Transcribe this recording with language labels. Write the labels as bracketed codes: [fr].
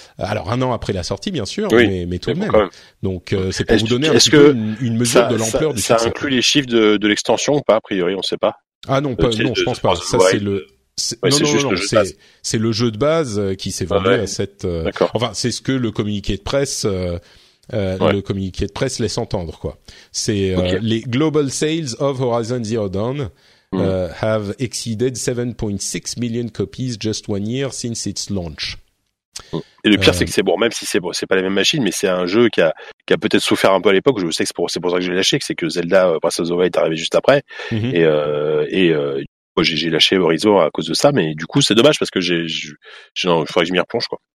[fr] Alors un an après la sortie, bien sûr, oui, mais tout de même. Donc c'est pour vous donner une mesure de l'ampleur du succès. Ça inclut les chiffres de l'extension ou pas, a priori, on ne sait pas. Ah non, je pense pas. Ça, c'est le. C'est le jeu de base qui s'est vendu à cette. Enfin, c'est ce que le communiqué de presse. Le communiqué de presse laisse entendre, quoi. C'est les [en] global sales of Horizon Zero Dawn have exceeded 7.6 million copies just one year since its launch. [fr] Et le pire, c'est que c'est bon, même si c'est bon, c'est pas la même machine, mais c'est un jeu qui a peut-être souffert un peu à l'époque. Je sais que c'est pour ça que j'ai lâché, que c'est que Zelda Breath of the Wild est arrivé juste après. Mm-hmm. Et j'ai lâché Horizon à cause de ça, mais du coup, c'est dommage parce que il faudrait que je m'y replonge, quoi.